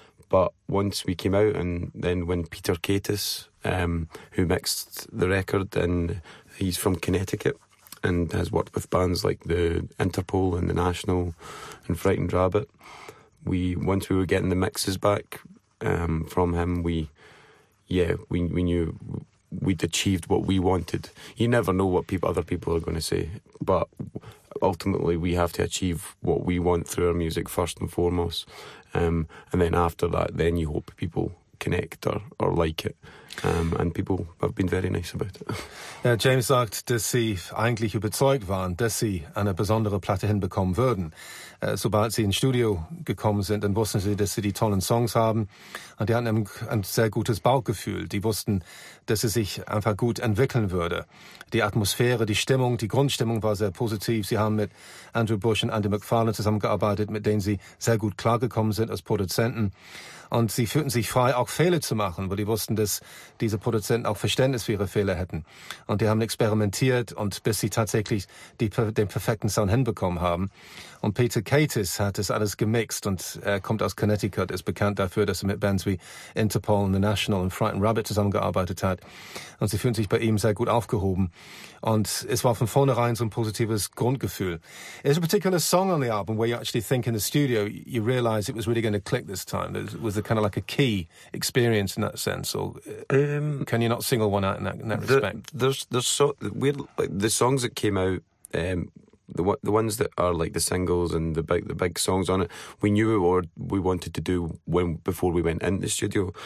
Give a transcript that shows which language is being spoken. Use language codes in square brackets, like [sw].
[en] But once we came out, and then when Peter Katus, who mixed the record, and he's from Connecticut and has worked with bands like the Interpol and the National and Frightened Rabbit, once we were getting the mixes back from him, we knew we'd achieved what we wanted. You never know what other people are going to say, but ultimately we have to achieve what we want through our music first and foremost. And then after that, then you hope people connect or like it. And people have been very nice about it. [de] Ja, James sagt, dass sie eigentlich überzeugt waren, dass sie eine besondere Platte hinbekommen würden. Sobald sie ins Studio gekommen sind, dann wussten sie, dass sie die tollen Songs haben. Und die hatten ein sehr gutes Bauchgefühl. Die wussten, dass sie sich einfach gut entwickeln würde. Die Atmosphäre, die Stimmung, die Grundstimmung war sehr positiv. Sie haben mit Andrew Bush und Andy McFarlane zusammengearbeitet, mit denen sie sehr gut klargekommen sind als Produzenten. Und sie fühlten sich frei, auch Fehler zu machen, weil die wussten, dass diese Produzenten auch Verständnis für ihre Fehler hätten. Und die haben experimentiert, und bis sie tatsächlich den perfekten Sound hinbekommen haben. Und Peter Katus hat das alles gemixt, und er kommt aus Connecticut, ist bekannt dafür, dass er mit Bands wie Interpol und The National und Frightened Rabbit zusammengearbeitet hat. Und sie fühlen sich bei ihm sehr gut aufgehoben. Und es war von vornherein so ein positives Grundgefühl. [en] There's a particular song on the album where you actually think in the studio, you realize it was really going to click this time. Was it kind of like a key experience in that sense? Or can you not single one out in that respect? The songs that came out, the ones that are like the singles and the big songs on it, we knew what we wanted to do before we went into the studio.